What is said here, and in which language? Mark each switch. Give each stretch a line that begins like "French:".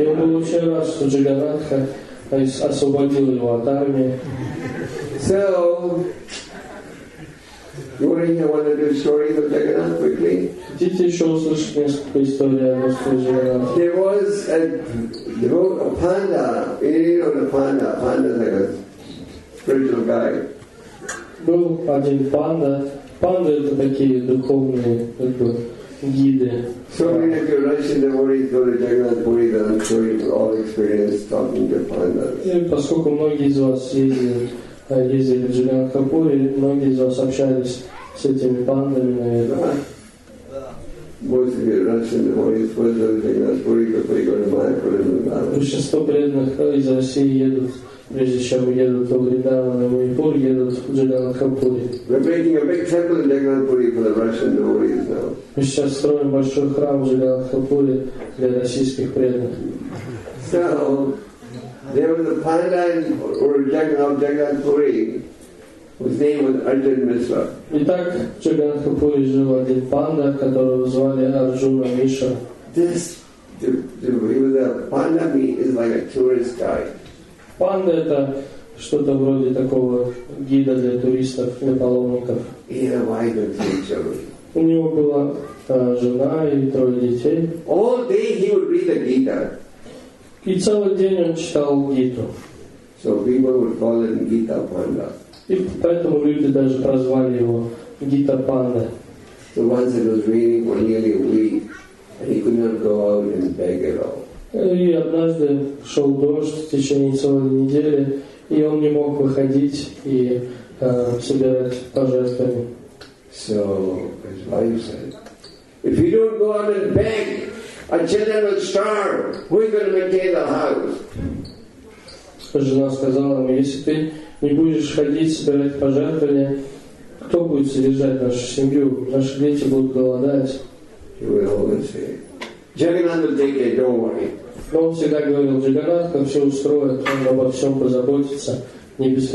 Russian: Я был очень рад, что Джаганатха освободил его от армии.
English: So, you want to hear one of the stories of Jagannath quickly?
Russian: Хотите еще услышать несколько историй о Господе Джаганатхе?
English: There was a devotee, a panda, panda is like a spiritual guy.
Russian: Был один панда. Панда это такие духовные гиды.
English: So many of your Russian devotees go to Jagannath Puri, then I'm sure you've all experienced talking to pandas.
Russian: И поскольку многие из вас ездили в Джаганатхе Пури, многие из вас общались с этими пандами, наверное.
English: Most of your Russian devotees go to Jagannath Puri before they go to Mayapur and Vrindavan.
Russian: Большинство преданных из России едут, прежде чем едут в Вриндаван и Майпур, едут в Джаганатхе Пури.
English: We're making a big temple in Jagannath Puri for the Russian devotees now.
Russian: Мы сейчас строим большой храм в Джаганатхе Пури для российских преданных.
English: So, there was a panda in Jagannath Puri whose name was Arjuna Mishra.
Russian: Итак, в Джаганатхе Пури жил один панда, которого звали Арджуна Мишра.
English: This, the panda is like a tourist guide.
Russian: Панда это что-то вроде такого гида для туристов, для паломников.
English: He had a wife and three children.
Russian: У него была жена и трое детей.
English: All day he would read the Gita.
Russian: И целый день он читал Гиту.
English: So people would call him Gita Panda.
Russian: И поэтому люди даже прозвали его Гита Панда.
English: The ones that was reading were nearly a week, and he could not go out and beg at all.
Russian: И однажды шел дождь в течение целой недели, и он не мог выходить и собирать пожертвования.
English: So his wife said, "If you don't go out and beg, our children will starve. Who is going to maintain the house?"
Russian: Жена сказала ему, если ты не будешь ходить собирать пожертвования, кто будет содержать нашу семью? Наши дети будут голодать.
English: He would always say, "Jagannath will take care. Don't worry."
Russian: Но он всегда говорил, Джагарадха все устроит, он обо всем позаботится, не